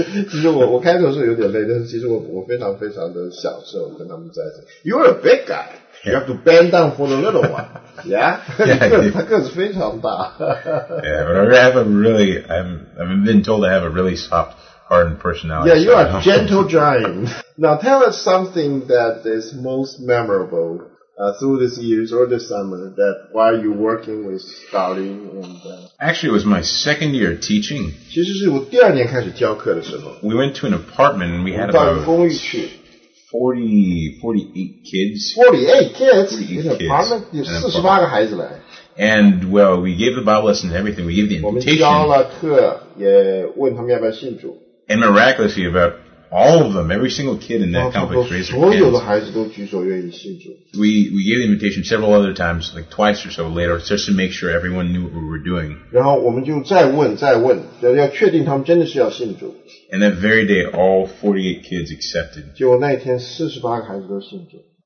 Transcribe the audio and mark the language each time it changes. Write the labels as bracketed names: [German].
[Chinese] 其实我开头是有点累，但是其实我非常非常的享受跟他们在一起。 [English] You're a big guy. You have to bend down for the little one. [Chinese] Yeah, 他个子非常大。 [English] Yeah, but I have a really, I've been told I have a really soft, hardened personality. Yeah, you are a gentle giant. Now tell us something that is most memorable. Through this year or this summer, that while you're working with Darlene and, Actually, it was my second year teaching. [Chinese] 其实是我第二年开始教课的时候。 [English] We went to an apartment and we had about 48 kids. 48 kids? 48 kids. 48 kids. And, well, we gave the Bible lessons and everything. We gave the invitation. [Chinese] 我们教了课，也问他们要不要信主。 [English] And miraculously, aboutAll of them, every single kid in that complex raised [Chinese] 所有的孩子都举手愿意信主。 [English] We gave the invitation several other times, like twice or so later, just to make sure everyone knew what we were doing. [Chinese] 然后我们就再问，要确定他们真的是要信主。 [English] And that very day, all 48 kids accepted. [Chinese] 结果那一天48个孩子都信主。